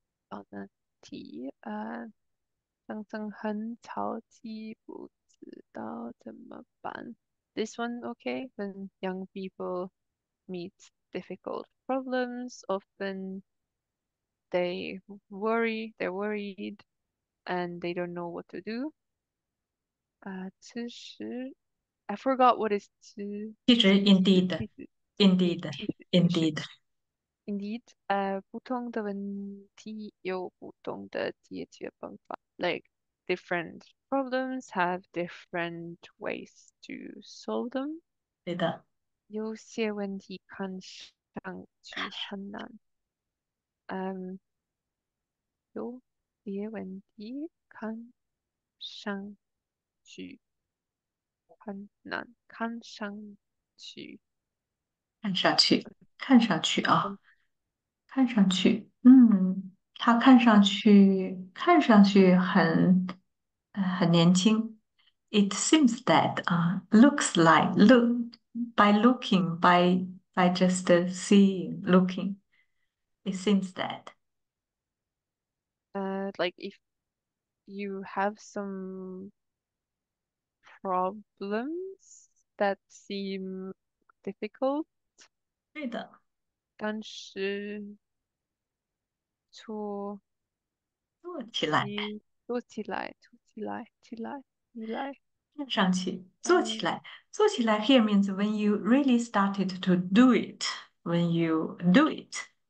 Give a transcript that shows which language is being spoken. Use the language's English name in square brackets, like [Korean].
[Chinese] 好的题，常常很着急，不知道怎么办。 [English] This one okay? When young people meet difficult problems, often they're worried, and they don't know what to do. [Chinese] 其实， [English] I forgot what is [Chinese] 其实其实 [English] indeed， [Chinese] 其实 [English] Indeed, indeed. Indeed. [Chinese] 不同的问题有不同的解决方法。 [English] Like different problems have different ways to solve them。 [Chinese] 对的。有些问题看上去很难。有些问题看上去很难，看上去。看上去啊，看上去，嗯，他看上去很年轻。 [English] It seems that looks like by just seeing looking, it seems that. Like if you have some problems that seem difficult, [Chinese] 对的，但是做起来，做起来，起来，起来，看上去做起来，做起来 [English] here means when you really started to do it, when you do it.